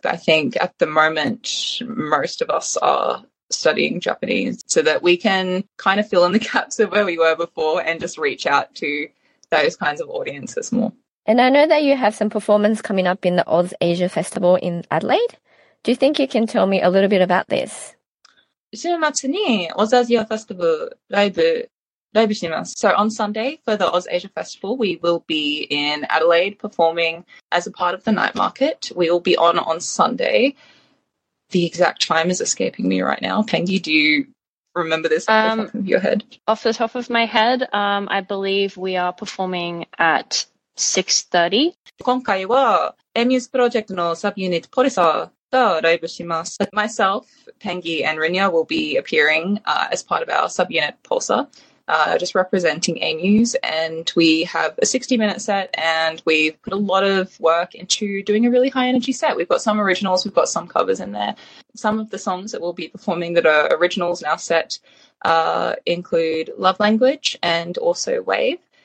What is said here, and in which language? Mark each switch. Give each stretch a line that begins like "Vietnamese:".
English: I think at the moment, most of us are studying Japanese so that we can kind of fill in the gaps of where we were before and just reach out to those kinds of audiences more. And I know that you have some performance coming up in the Oz Asia Festival in Adelaide. Do you think you can tell me a little bit about this?
Japanese: 週末に Oz Asia Festival ライブします。
English: So on Sunday for the Oz Asia Festival, we will be in Adelaide performing as a part of the night market. We will be on Sunday. The exact time is escaping me right now. Pengi, do you remember this off the top of your head? Off the top of my head, I believe we are performing at 6:30.
Japanese: 今回は Amuse Project のサブユニットポリサーライブします。
English: Myself, Pengi and Rinya will be appearing as part of our subunit Pulsa, just representing AMUs. And we have a 60-minute set and we've put a lot of work into doing a really high-energy set. We've got some originals, we've got some covers in there. Some of the songs that we'll be performing that are originals in our set include Love Language and also Wave.